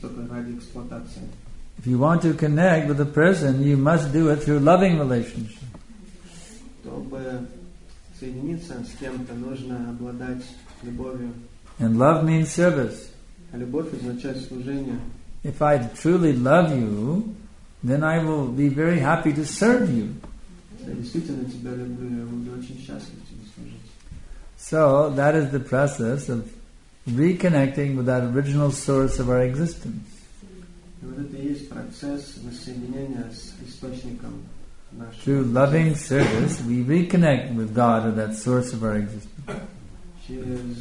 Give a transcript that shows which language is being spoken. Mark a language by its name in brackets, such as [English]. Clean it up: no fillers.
[English] If you want to connect with a person, you must do it through loving relationship. [Russian] Чтобы соединиться с кем-то, нужно обладать любовью. [English] And love means service. [Russian] А любовь означает служение. [English] If I truly love you, then I will be very happy to serve you. [Russian] Я действительно тебя люблю, я буду очень счастлив тебе служить. [English] So that is the process of reconnecting with that original source of our existence. Through loving service, we reconnect with God or that source of our existence.